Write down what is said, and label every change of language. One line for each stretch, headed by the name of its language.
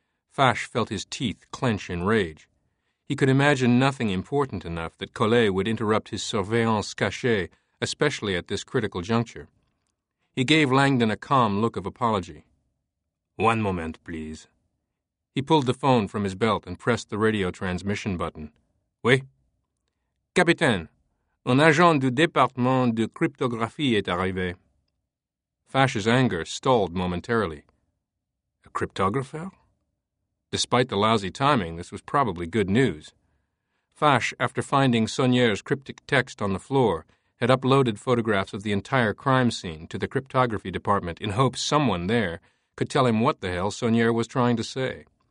English: Fache felt his teeth clench in rage. He could imagine nothing important enough that Collet would interrupt his surveillance cachet, especially at this critical juncture. He gave Langdon a calm look of apology. One moment, please. He pulled the phone from his belt and pressed the radio transmission button.
French: Oui? Capitaine, un agent du département de cryptographie est arrivé.
English: Fache's anger stalled momentarily. A cryptographer? Despite the lousy timing, this was probably good news. Fache, after finding Saunière's cryptic text on the floor, had uploaded photographs of the entire crime scene to the cryptography department in hopes someone there could tell him what the hell Saunière was trying to say.